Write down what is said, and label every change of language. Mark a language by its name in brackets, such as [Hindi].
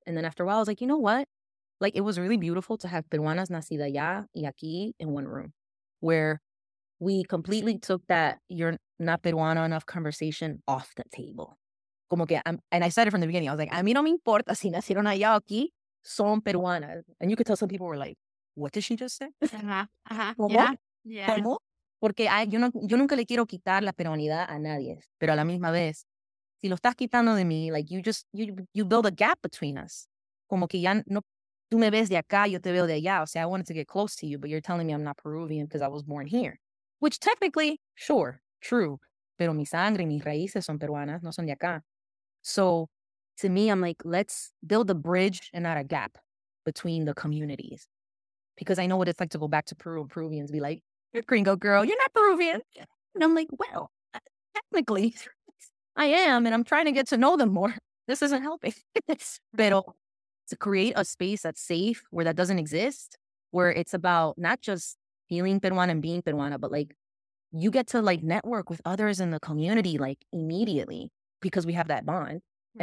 [English] And then after a while, I was like, you know what? Like, it was really beautiful to have [Spanish] Peruanas nacida ya y aquí [English] in one room where we completely took that you're not Peruana enough conversation off the table. [Spanish] Como que [English] and I said it from the beginning. I was like, [Spanish] a mí no me importa si nacieron allá o aquí, son Peruanas. [English] And you could tell some people were like, what did she just say? [Spanish] ¿Cómo? Porque yo nunca le quiero quitar la peruanidad a nadie. Pero a la misma vez, si lo estás quitando de mí, like, [English] you build a gap between us. [Spanish] como que ya no, tú me ves de acá, yo te veo de allá. [English] O sea, I wanted to get close to you, but you're telling me I'm not Peruvian because I was born here. Which technically, sure, true. [Spanish] Pero mi sangre, mis raíces son peruanas, no son de acá. [English] So to me, I'm like, let's build a bridge and not a gap between the communities. Because I know what it's like to go back to Peru and Peruvians be like, you're gringo girl, you're not Peruvian. And I'm like, well, technically, I am. And I'm trying to get to know them more. This isn't helping. Pero to create a space that's safe, where that doesn't exist, where it's about not just feeling Peruana and being Peruana, but like you get to like network with others in the community like immediately because we have that bond. Mm-hmm.